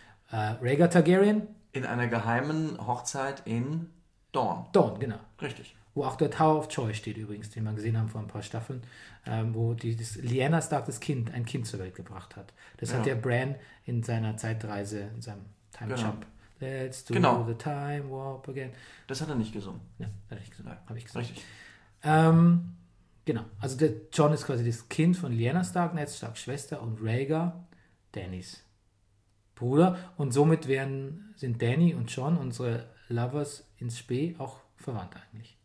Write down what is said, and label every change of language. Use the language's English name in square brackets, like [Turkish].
[German] Rhaegar Targaryen? In einer geheimen Hochzeit in Dorne. Dorne, genau. Richtig. Wo auch der Tower of Joy steht übrigens, den wir gesehen haben vor ein paar Staffeln, wo Lyanna Stark ein Kind zur Welt gebracht hat. Das hat der Bran in seiner Zeitreise, in seinem Time Jump. [English] Let's do the time warp again. [German] Das hat er nicht gesungen. Ja, hat er nicht gesungen. Habe ich gesagt. Richtig. Genau. Also der Jon ist quasi das Kind von Lyanna Stark, Ned Starks Schwester und Rhaegar, Dannys Bruder. Und somit sind Dany und Jon, unsere Lovers ins Spee, auch verwandt eigentlich.